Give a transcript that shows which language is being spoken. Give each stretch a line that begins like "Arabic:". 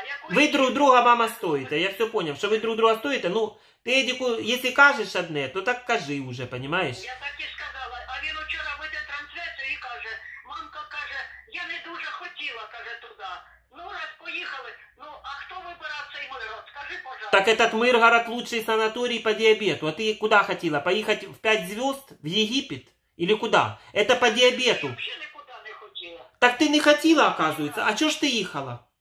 Ukrainian: Ви друг друга, мама, стоїте. Я все поняв, що ви друг друга стоїте. Ну, ти, Едіку, якщо кажеш одне, то так кажи уже, понимаєш? Я так і сказала. А він вчора веде трансляцію і каже, мамка каже, я не дуже хотіла, каже, туди. Ну, раз поїхали, ну, а хто вибирав цей Миргород?
Russian: Скажи, пожалуйста. Так этот Миргород лучший санаторий
Ukrainian: по діабету. А ти куди хотіла? Поїхати в 5 зірок? В Єгипет? Или куди?
Russian: Это
Ukrainian: по діабету. Я взагалі нікуди не хотіла. Так ти не хотіла, оказується. А чого ж ти їхала?